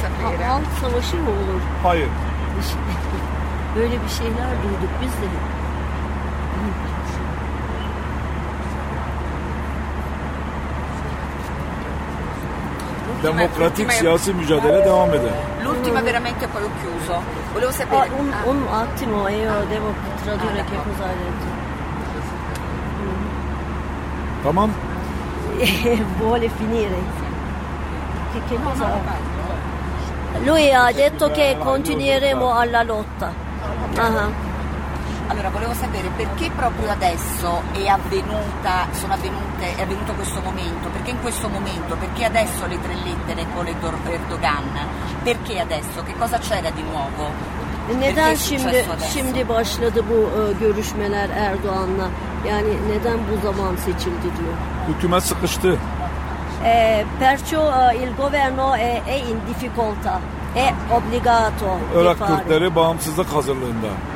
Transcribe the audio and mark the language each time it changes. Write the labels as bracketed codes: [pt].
[tr] Yani halk savaşı mı olur? Hayır. Böyle bir şeyler duyduk biz de. Demokratik siyasi mücadele devam eder. [it] L'ultima veramente poi ho chiuso. Volevo sapere. Un attimo, io devo tradurre che cosa ha detto. [tr] Tamam. [it] vuole finire. Che cosa? Lui ha detto che continueremo alla lotta. Uh-huh. Allora, volevo sapere perché proprio adesso è avvenuto questo momento, perché in questo momento, perché adesso le tre lettere con le Erdogan, perché adesso, che cosa c'era di nuovo? [tr] Neden şimdi şimdi başladı bu görüşmeler Erdoğan'la? Yani neden bu zaman seçildi diyor? Hükümet sıkıştı. [it] Perciò il governo è in difficoltà, è obbligato. [tr] Irak Kürtleri bağımsızlık hazırlığında.